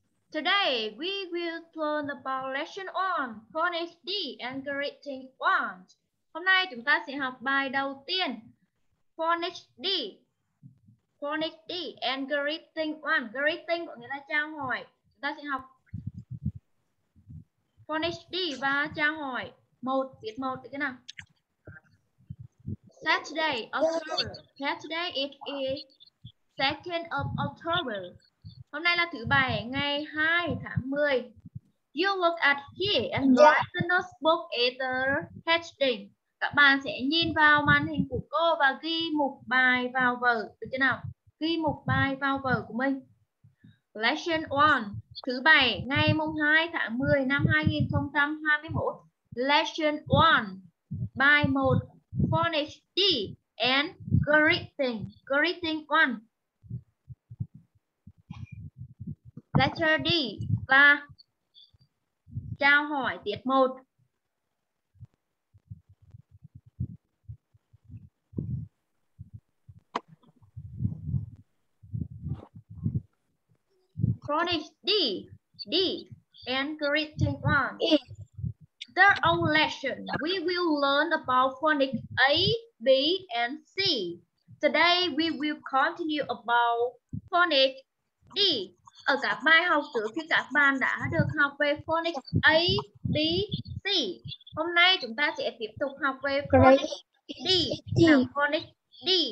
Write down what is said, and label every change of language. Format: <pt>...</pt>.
<en>Today we will learn about lesson on phonics D and greeting ones.</en> <vi>Hôm nay chúng ta sẽ học bài đầu tiên phonics D.</vi> <en>Phonics D and greeting one. Greeting</en> <vi>có nghĩa là chào hỏi. Chúng ta sẽ học phonics D và chào hỏi. Một viết một thế nào?</vi> <en>Saturday, October. Saturday it is 2nd of October.</en> <vi>Hôm nay là thứ bảy, ngày 2 tháng 10.</vi> <en>You look at here and write the notebook at the heading.</en> <vi>Các bạn sẽ nhìn vào màn hình của cô và ghi mục bài vào vở. Được chưa nào? Ghi mục bài vào vở của mình.</vi> <en>Lesson 1.</en> <vi>Thứ bảy, ngày 2 tháng 10 năm 2021. Lesson 1. Bài 1.</vi> <en>Phonics D and greeting. Greeting 1.</en> <vi>Letter D và chào hỏi tiết 1.</vi> <en>Chronic D, D and greeting 1. The old lesson, we will learn about phonics A, B and C. Today we will continue about phonics D.</en> <vi>Ở các bài học trước khi các bạn đã được học về phonics A, B, C. Hôm nay chúng ta sẽ tiếp tục học về phonics D. Nào, phonics D.</vi>